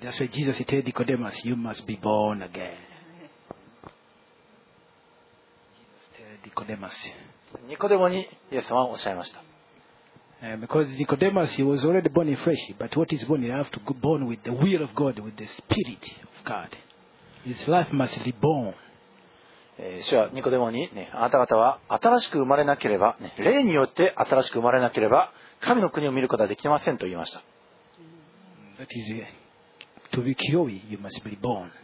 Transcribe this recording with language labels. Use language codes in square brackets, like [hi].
[en] That's why Jesus said, Nicodemus, you must be born again. [ja] ニコデモにイエス様はおっしゃいました。 [en] Because Nicodemus he was already born in flesh, but what is born you have to be born with the will of God, with the Spirit of God. His life must be born. [ja] 主はニコデモに、ね、あなた方は新しく生まれなければ、ね、霊によって新しく生まれなければ神の国を見ることはできませんと言いました。 [en] That is to be pure, you must be born.